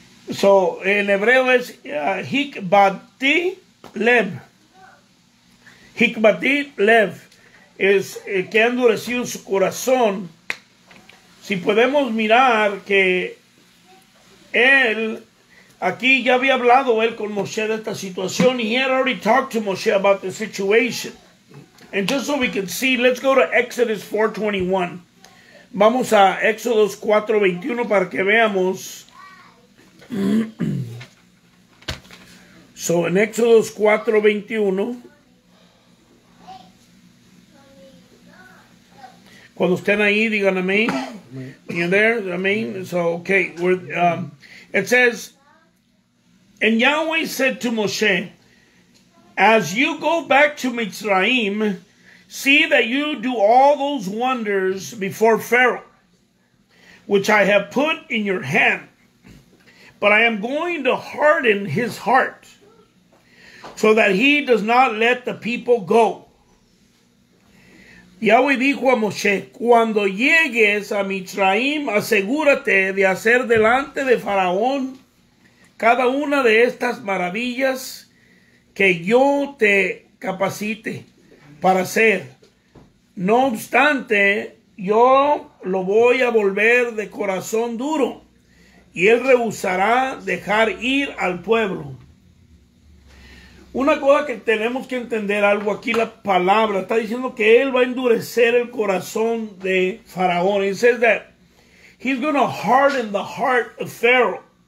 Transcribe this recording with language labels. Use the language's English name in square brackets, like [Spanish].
[Spanish] So, en hebreo es Hikbadti lev. Hikbadti lev. Es que ha endurecido su corazón. Si podemos mirar que él... Aquí ya había hablado él con Moshe de esta situación. [English] He had already talked to Moshe about the situation. And just so we can see, let's go to Exodus 4:21. [Spanish] Vamos a Éxodos 4:21 para que veamos. So, en Éxodos 4:21. Cuando estén ahí, digan amén. [English] You there? [Spanish] Amén. So, okay. [English] It says, and Yahweh said to Moshe, as you go back to Mitzrayim, see that you do all those wonders before Pharaoh, which I have put in your hand. But I am going to harden his heart so that he does not let the people go. [Spanish] Yahweh dijo a Moshe, cuando llegues a Mitzrayim, asegúrate de hacer delante de Faraón cada una de estas maravillas que yo te capacite para hacer. No obstante, yo lo voy a volver de corazón duro y él rehusará dejar ir al pueblo. Una cosa que tenemos que entender algo aquí, la palabra está diciendo que él va a endurecer el corazón de Faraón. [English] It says that he's going to harden the heart of Pharaoh.